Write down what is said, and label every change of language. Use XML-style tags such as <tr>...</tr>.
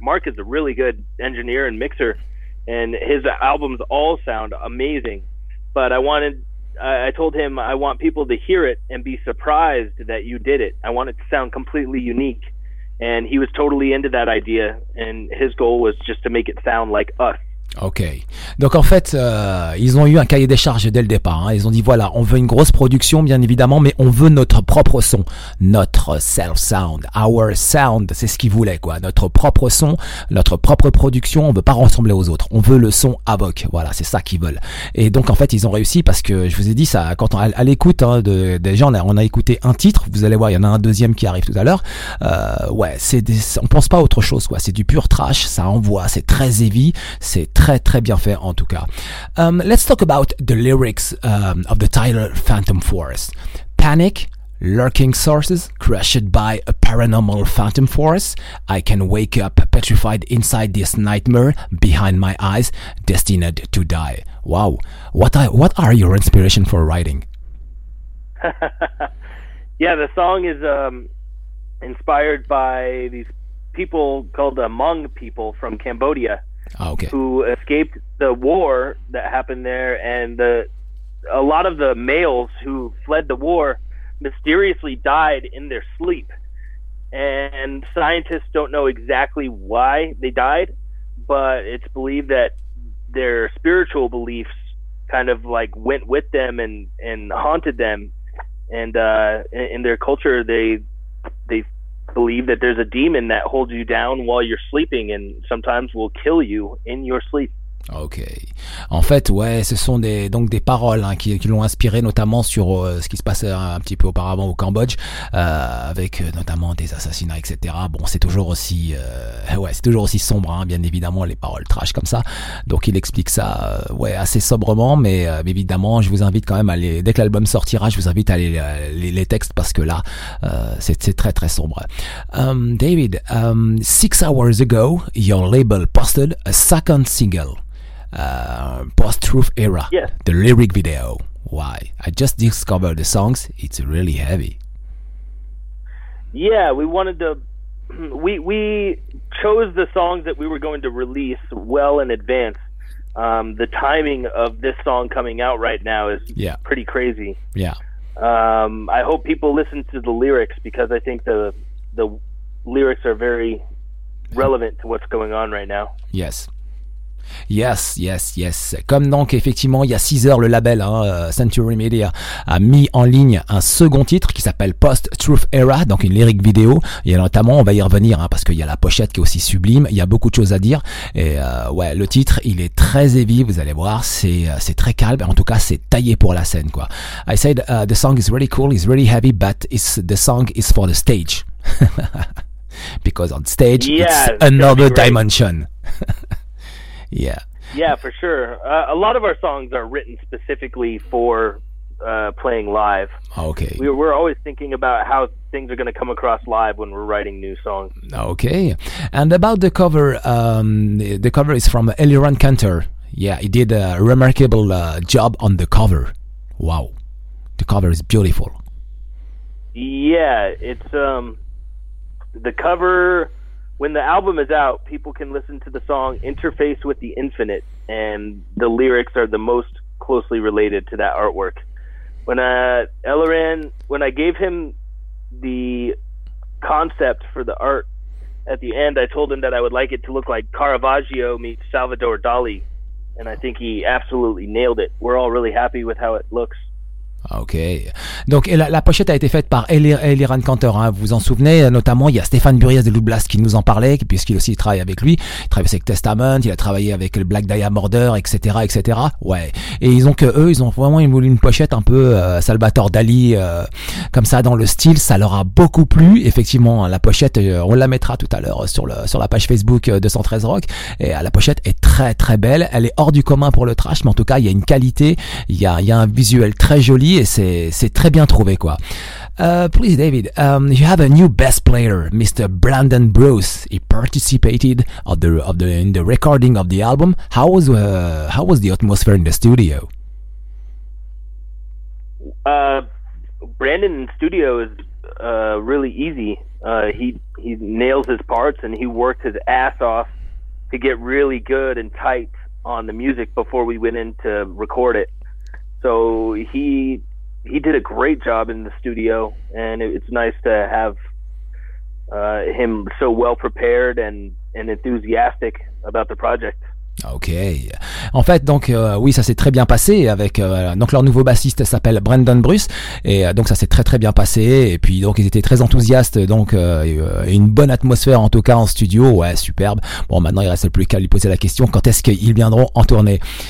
<en>Mark is a really good engineer and mixer, and his albums all sound amazing. But I told him I want people to hear it and be surprised that you did it. I want it to sound completely unique. And he was totally into that idea, and his goal was just to make it sound like us. Okay.</en> <fr>Donc en fait, ils ont eu un cahier des charges dès le départ. Hein. Ils ont dit voilà, on veut une grosse production, bien évidemment, mais on veut notre propre son, notre self sound,</fr> <en>our sound.</en> <fr>C'est ce qu'ils voulaient quoi, notre propre son, notre propre production. On veut pas ressembler aux autres. On veut le son AVOC. Voilà, c'est ça qu'ils veulent. Et donc en fait, ils ont réussi parce que je vous ai dit ça. Quand on à l'écoute hein, des gens, on a écouté un titre. Vous allez voir, il y en a un deuxième qui arrive tout à l'heure. Ouais, on pense pas à autre chose quoi. C'est du pur trash. Ça envoie. C'est très heavy. C'est très très bien fait en tout cas.</fr> <en>Let's talk about the lyrics of the title Phantom Force. Panic, lurking sources, crushed by a paranormal phantom force. I can wake up petrified inside this nightmare behind my eyes, destined to die. Wow. What are your inspiration for writing? Yeah, the song is inspired by these people called the Hmong people from Cambodia. Oh, okay. Who escaped the war that happened there, and a lot of the males who fled the war mysteriously died in their sleep, and scientists don't know exactly why they died, but it's believed that their spiritual beliefs kind of like went with them and haunted them, and in their culture they believe that there's a demon that holds you down while you're sleeping and sometimes will kill you in your sleep. Okay.</en> <fr>En fait, ouais, ce sont des paroles hein, qui l'ont inspiré, notamment sur ce qui se passait un petit peu auparavant au Cambodge, avec notamment des assassinats, etc. Bon, c'est toujours aussi, c'est toujours aussi sombre, hein, bien évidemment, les paroles trash comme ça. Donc, il explique ça, assez sobrement, mais évidemment, je vous invite quand même dès que l'album sortira, je vous invite à aller lire les textes parce que là, c'est très très sombre.</fr> <en>David, 6 hours ago, your label posted a second single. Post-truth era. Yes. The lyric video. Why? I just discovered the songs. It's really heavy. Yeah, we wanted to we chose the songs that we were going to release well in advance. The timing of this song coming out right now is pretty crazy. Yeah. I hope people listen to the lyrics, because I think the lyrics are very relevant to what's going on right now. Yes. Yes, yes, yes.</en> <fr>Comme donc, effectivement, il y a 6 heures, le label Century Media a mis en ligne un second titre qui s'appelle Post Truth Era, donc une lyrique vidéo. Et notamment, on va y revenir, hein, parce qu'il y a la pochette qui est aussi sublime. Il y a beaucoup de choses à dire. Et ouais, le titre, il est très heavy, vous allez voir. C'est très calme. En tout cas, c'est taillé pour la scène, quoi.</fr> <en>I said, the song is really cool, it's really heavy, but it's, the song is for the stage. Because on stage, yeah, it's another dimension. Yeah. Yeah, for sure. A lot of our songs are written specifically for playing live. Okay. We're always thinking about how things are going to come across live when we're writing new songs. Okay. And about the cover, the cover is from Eliran Cantor. Yeah, he did a remarkable job on the cover. Wow. The cover is beautiful. Yeah, it's the cover. When the album is out, people can listen to the song Interface with the Infinite, and the lyrics are the most closely related to that artwork. When I gave him the concept for the art at the end, I told him that I would like it to look like Caravaggio meets Salvador Dali, and I think he absolutely nailed it. We're all really happy with how it looks.</en> <fr>Ok, donc la pochette a été faite par Eliran Cantor, hein. Vous vous en souvenez, notamment il y a Stéphane Burias de Loublast qui nous en parlait, puisqu'il aussi travaille avec lui, il travaille avec Testament, il a travaillé avec le Black Dahlia Murder, etc, etc. Ouais, et ils ont que eux, ils ont vraiment voulu une pochette un peu Salvador Dali, comme ça dans le style, ça leur a beaucoup plu, effectivement, hein, la pochette, on la mettra tout à l'heure sur la page Facebook 213 Rock, et la pochette est très très belle, elle est hors du commun pour le trash, mais en tout cas, il y a une qualité, il y a un visuel très joli, et c'est très bien trouvé, quoi.</fr> <en>Please, David, you have a new bass player, Mr. Brandon Bruce. He participated in the recording of the album. How was the atmosphere in the studio? Brandon in studio is really easy. He nails his parts, and he worked his ass off to get really good and tight on the music before we went in to record it. So he did a great job in the studio, and it's nice to have him so well prepared and enthusiastic about the project. Ok.</en> <fr>En fait, donc oui, ça s'est très bien passé avec donc leur nouveau bassiste s'appelle Brandon Bruce, et donc ça s'est très très bien passé. Et puis donc ils étaient très enthousiastes, donc une bonne atmosphère en tout cas en studio. Ouais, superbe. Bon, maintenant il reste plus qu'à lui poser la question, quand est-ce qu'ils viendront en tournée.</fr>